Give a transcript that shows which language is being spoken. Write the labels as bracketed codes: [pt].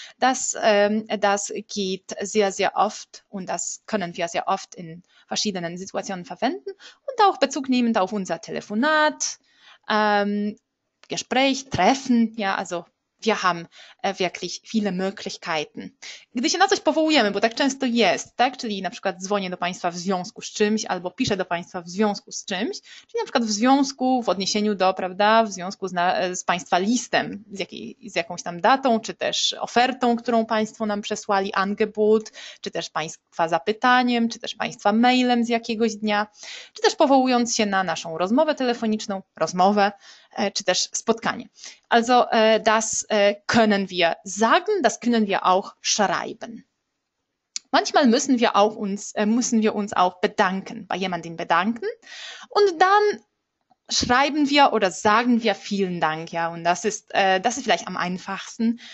[de] das geht sehr, sehr oft und das können wir sehr oft in verschiedenen Situationen verwenden und auch bezugnehmend auf unser Telefonat, Gespräch, Treffen, ja, also wir haben wirklich viele Möglichkeiten. [pl] Gdy się na coś powołujemy, bo tak często jest, tak? Czyli na przykład dzwonię do Państwa w związku z czymś albo piszę do Państwa w związku z czymś, czyli na przykład w związku, w odniesieniu do, prawda, w związku z Państwa listem, z jakąś tam datą, czy też ofertą, którą Państwo nam przesłali, Angebot, czy też Państwa zapytaniem, czy też Państwa mailem z jakiegoś dnia, czy też powołując się na naszą rozmowę telefoniczną, rozmowę, czy też spotkanie. [de] Also das können wir sagen, das können wir auch schreiben. Manchmal müssen wir uns auch bedanken, bei jemandem bedanken und dann schreiben wir oder sagen wir vielen Dank, ja, und das ist vielleicht am einfachsten.